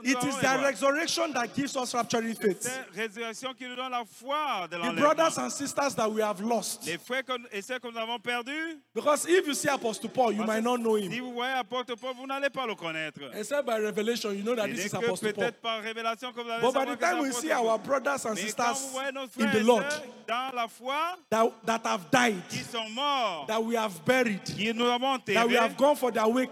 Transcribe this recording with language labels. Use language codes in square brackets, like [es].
[en] it is the resurrection that gives us rapturing faith. [fr] C'est résurrection qui nous donne la foi de l'enlèvement. [en] The brothers and sisters that we have lost. [fr] Les frères et sœurs que nous avons perdus. [en] Because if you see Apostle Paul, you might not know him. [fr] Si vous voyez Apostle Paul, vous n'allez pas le connaître. [en] Except by revelation, you know that this is Apostle Paul. [fr] Peut-être par révélation. [en] But by the time we see our brothers and sisters in the Lord that have died, that we have buried, that we have gone for their wake